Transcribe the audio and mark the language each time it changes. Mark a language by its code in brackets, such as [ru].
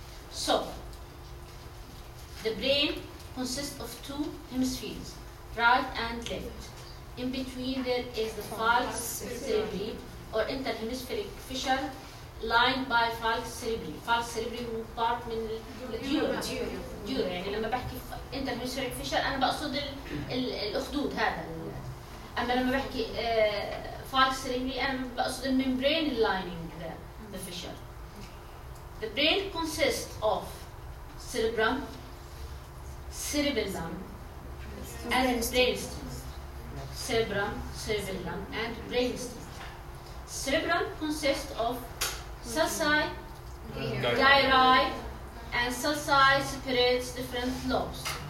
[en] So, the brain consists of two hemispheres, right and left. In between there is the falx cerebri or interhemispheric fissure lined by falx cerebri. [ar] Falx cerebri هو part من الديور. ديور يعني لما بحكي interhemispheric fissure أنا بقصد الأخدود هذا. أما لما بحكي falx cerebri أنا بقصد [en] membrane lining the fissure. The brain consists of cerebrum, cerebellum and brainstem. Cerebrum, cerebellum and brainstem. Cerebrum consists of sulci, gyri and sulci separates different lobes.